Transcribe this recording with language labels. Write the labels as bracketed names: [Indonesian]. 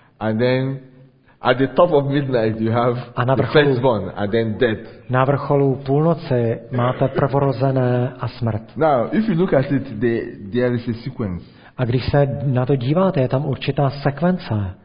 [English] And then at the top of midnight you have a the firstborn and then death. [Czech] Na vrcholu půlnoci máte prvorozené a smrt. [English] Now if you look at it, there is a sequence. [Czech] A když se na to díváte, je tam určitá sekvence.